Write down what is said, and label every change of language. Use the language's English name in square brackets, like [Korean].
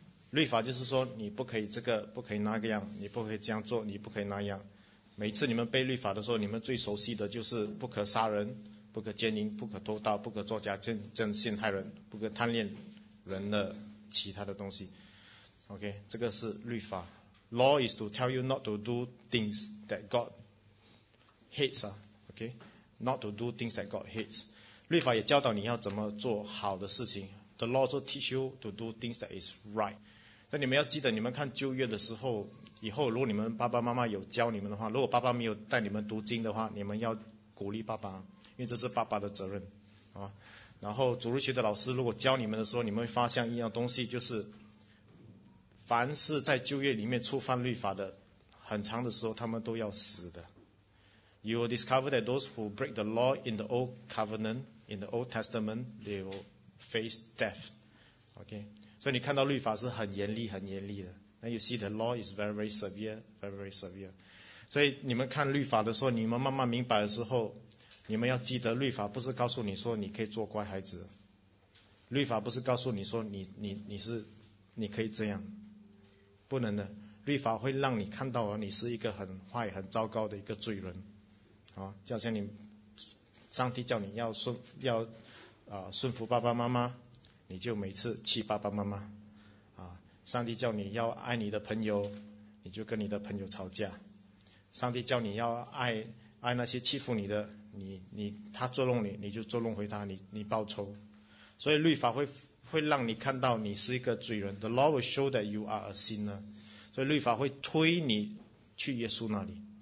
[Chinese] 律法就是说你不可以这个，不可以那个样，你不可以这样做，你不可以那样。每次你们背律法的时候，你们最熟悉的就是不可杀人，不可奸淫，不可偷盗，不可作假证证陷害人，不可贪恋人的其他的东西。 OK, 这个是律法。 [English] Law is to tell you not to do things that God hates. OK, not to do things that God hates. [Chinese] 律法也教导你要怎么做好的事情。 [English] The law also teach you to do things that is right. [Chinese] 那你们要记得，你们看旧约的时候，以后如果你们爸爸妈妈有教你们的话，如果爸爸没有带你们读经的话，你们要鼓励爸爸，因为这是爸爸的责任啊。然后主日学的老师如果教你们的时候，你们会发现一样东西，就是凡是在旧约里面触犯律法的，很长的时候他们都要死的。 [English] You will discover that those who break the law in the old covenant, in the old testament, they will face death, okay. So you [Chinese] 看到律法是很严厉、很严厉的。 [English] Now you see the law is very, very severe, very, very severe. [Chinese] 所以你们看律法的时候，你们慢慢明白的时候，你们要记得，律法不是告诉你说你可以做乖孩子，律法不是告诉你说你可以这样，不能的。律法会让你看到你是一个很坏、很糟糕的一个罪人，啊，就好像你上帝叫你要顺要。顺服爸爸妈妈，你就每次气爸爸妈妈。上帝叫你要爱你的朋友，你就跟你的朋友吵架。上帝叫你要爱那些欺负你的，他捉弄你，你就捉弄回他，你报仇。所以律法会让你看到你是一个罪人。 [English] The law will show that you are a sinner. [Chinese] 所以律法会推你去耶稣那里。